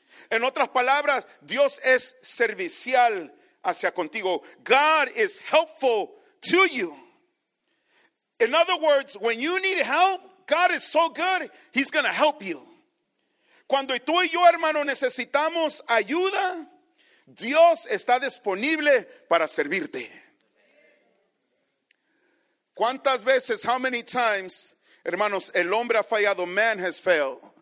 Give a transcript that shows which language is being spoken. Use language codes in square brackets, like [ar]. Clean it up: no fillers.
[es] En otras palabras, Dios es servicial hacia contigo. [en] God is helpful to you. In other words, when you need help, God is so good, He's going to help you. [es] Cuando tú y yo, hermano, necesitamos ayuda, Dios está disponible para servirte. ¿Cuántas veces, [en] how many times, [es] hermanos, el hombre ha fallado? [en] Man has failed.